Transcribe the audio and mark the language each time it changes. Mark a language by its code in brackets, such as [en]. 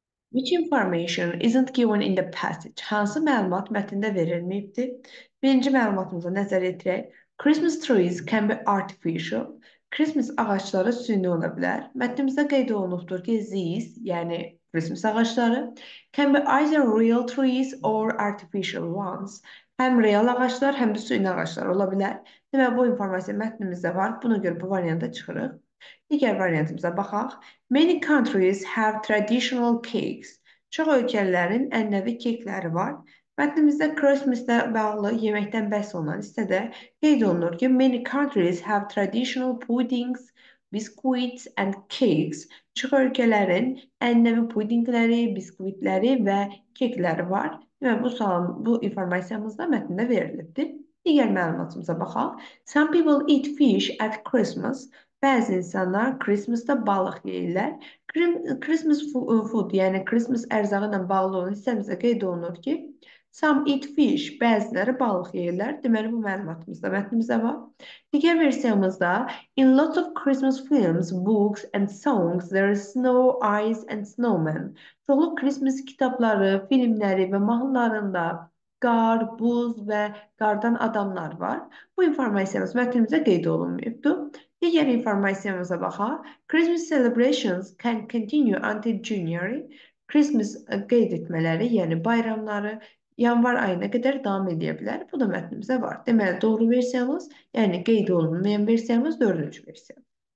[en] Which information isn't given in the passage? [az] Hansı məlumat mətndə verilməyibdi? Birinci məlumatımıza nəzər yetirək. [en] Christmas trees can be artificial. [az] Christmas ağaçları süni ola bilər. Mətnimizdə qeyd olunubdur ki, these, yəni Christmas ağaçları, [en] can be either real trees or artificial ones. [az] Həm real ağaçlar, həm də süni ağaçlar ola bilər. Demək, bu informasiya mətnimizdə var. Buna görə bu variantı çıxırıq. Digər variantımıza baxaq. [en] Many countries have traditional cakes. [az] Çox ölkələrin ənənəvi kekləri var. Mətnimizdə Christmas-la bağlı yeməkdən bəhs olunan hissədə qeyd olunur ki, [en] many countries have traditional puddings, biscuits and cakes. [az] Çox ölkələrin ənənəvi puddingləri, biskvitləri və kekləri var. Demək, bu informasiyamız da mətndə verilibdir. Digər məlumatımıza baxaq. [en] Some people eat fish at Christmas. [az] Bəzi insanlar Christmas'da balıq yeyirlər. Christmas food, yəni Christmas ərzağı bağlı olan hissəmizə qeyd olunur ki, [en] some eat fish, [az] bəziləri balıq yeyirlər. Deməli, bu məlumatımız da mətnimizdə var. Digər versiyamızda, [en] in lots of Christmas films, books and songs, there is snow, ice and snowmen. [az] Çoxlu Christmas kitabları, filmləri və mahnılarında qar, buz və qardan adamlar var. Bu informasiyamız mətnimizdə qeyd olunmayıbdır. Digər informasiyamıza baxaq. [en] Christmas celebrations can continue until January. [az] Christmas qeyd etmələri, yəni bayramları yanvar ayına qədər davam edə bilər. Bu da mətnimizdə var. Deməli, doğru versiyamız, yəni qeyd olunmayan versiyamız 4-cü versiyamız.